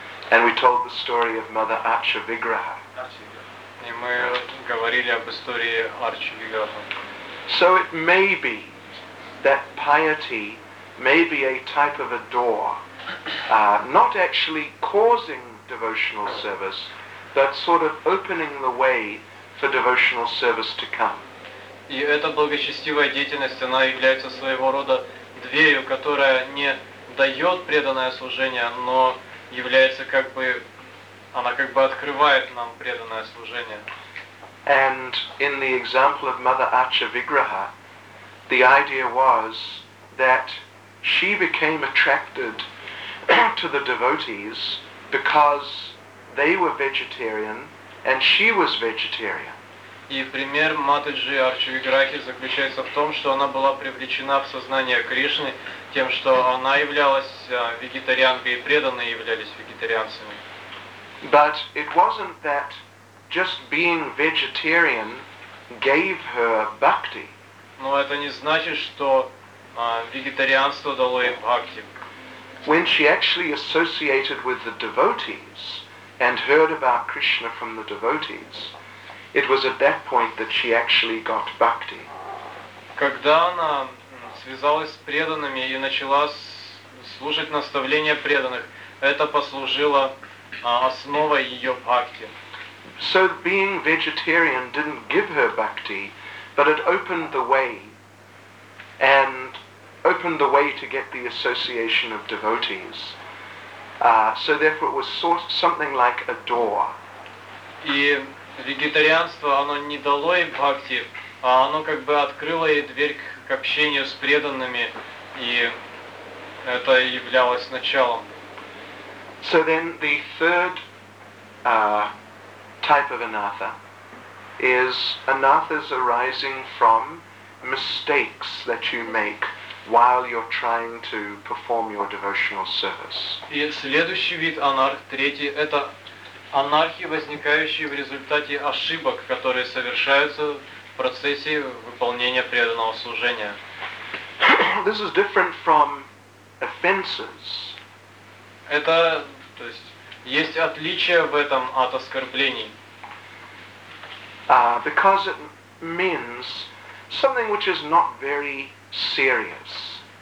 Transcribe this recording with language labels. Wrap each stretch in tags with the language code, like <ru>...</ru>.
<en>And we told the story of Mother Archa Vigraha.</en> <ru>И мы говорили об истории Арчи Виграха.</ru> <en>So it may be that piety may be a type of a door, not actually causing devotional service, that sort of opening the way for devotional service to come.</en> <ru>И эта благочестивая деятельность, она является своего рода дверью, которая не дает преданное служение, но является как бы, она как бы открывает нам преданное служение.</ru> <en>And in the example of Mother Archavigraha, the idea was that she became attracted to the devotees because they were vegetarian and she was vegetarian.</en> <ru>И пример Матаджи Арчавиграхи заключается в том, что она была привлечена в сознание Кришны тем, что она являлась вегетарианкой, и преданные являлись вегетарианцами.</ru> <en>But it wasn't that just being vegetarian gave her bhakti.</en> <ru>Но это не значит, что вегетарианство дало ей бхакти.</ru> <en>When she actually associated with the devotees and heard about Krishna from the devotees, it was at that point that she actually got bhakti.</en> <ru>Когда она связалась с преданными и начала слушать наставления преданных, это послужило основой ее бхакти.</ru> <en>So being vegetarian didn't give her bhakti, but it opened the way, and opened the way to get the association of devotees. So therefore, it was something like a door.</en> <ru>И вегетарианство, оно не дало ей бхакти, а оно как бы открыло ей дверь к общению с преданными, и это являлось началом.</ru> <en>So then the third type of anatha is anathas arising from mistakes that you make while you're trying to perform your devotional service.</en> <ru>И следующий вид анарх, третий, это анархии, возникающие в результате ошибок, которые совершаются в процессе выполнения преданного служения.</ru> <en>This is different from offenses.</en> <ru>Это, то есть, есть отличие в этом от оскорблений.</ru> <en>Because it means something which is not very serious.</en>